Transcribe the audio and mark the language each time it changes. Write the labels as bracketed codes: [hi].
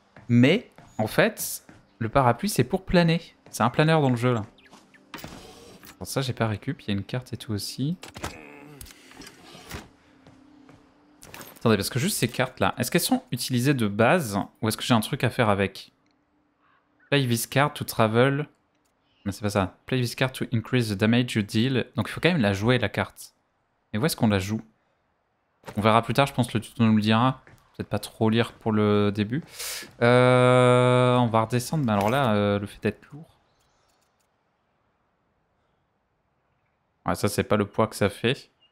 [fr] Mais, en fait, le parapluie c'est pour planer. C'est un planeur dans le jeu là. Bon, ça, j'ai pas récup, il y a une carte et tout aussi. Attendez, parce que juste ces cartes là, est-ce qu'elles sont utilisées de base ou est-ce que j'ai un truc à faire avec? [en] Play this card to travel. [fr] Mais c'est pas ça. [en] Play this card to increase the damage you deal. [fr] Donc il faut quand même la jouer la carte. Mais où est-ce qu'on la joue? On verra plus tard, je pense que le tuto nous le dira. Peut-être pas trop lire pour le début. On va redescendre, mais alors là, le fait d'être lourd. Ouais, ça, c'est pas le poids que ça fait.